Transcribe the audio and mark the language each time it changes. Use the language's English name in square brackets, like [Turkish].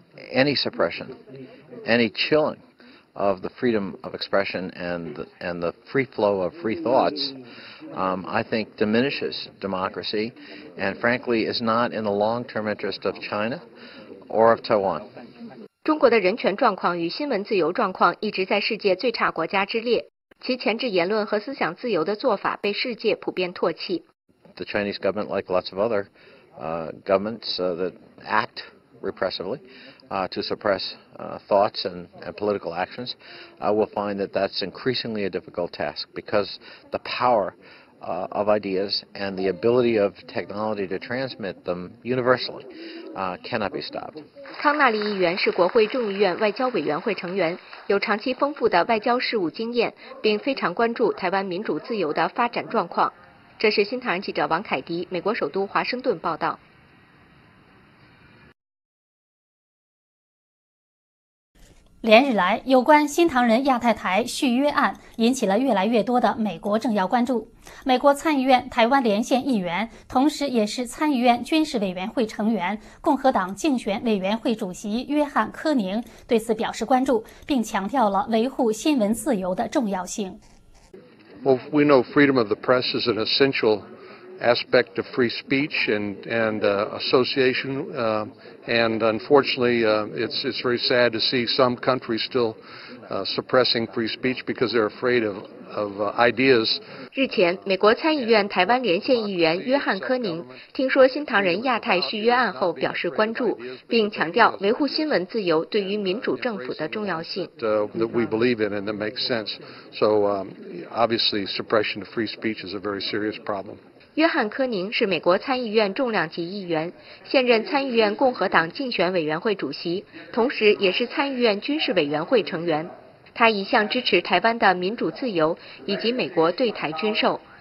[English] Any suppression, any chilling of the freedom of expression and the free flow of free thoughts, I think diminishes democracy, and frankly is not in the long-term interest of China or of Taiwan. [Chinese] 中国的人权状况与新闻自由状况一直在世界最差国家之列，其钳制言论和思想自由的做法被世界普遍唾弃。 [English] The Chinese government, like lots of other governments that act repressively, to suppress thoughts and political actions, will find that that's increasingly a difficult task because the power of ideas and the ability of technology to transmit them universally cannot be stopped. [Chinese] 康纳利议员是国会众议院外交委员会成员，有长期丰富的外交事务经验，并非常关注台湾民主自由的发展状况。这是新唐人记者王凯迪，美国首都华盛顿报道。连日来，有关新唐人亚太台续约案引起了越来越多的美国政要关注。美国参议院台湾连线议员，同时也是参议院军事委员会成员、共和党竞选委员会主席约翰·柯宁对此表示关注，并强调了维护新闻自由的重要性。 [English] Well, we know freedom of the press is an essential aspect of free speech and association. And unfortunately, it's very sad to see some countries still suppressing free speech because they're afraid of ideas. [Chinese] 日前，美国参议院台湾连线议员约翰·柯宁听说新唐人亚太续约案后表示关注，并强调维护新闻自由对于民主政府的重要性。 [English] That we believe in and that makes sense. So obviously, suppression of free speech is a very serious problem. [Chinese] 约翰·柯宁是美国参议院重量级议员，现任参议院共和党竞选委员会主席，同时也是参议院军事委员会成员。他一向支持台湾的民主自由以及美国对台军售。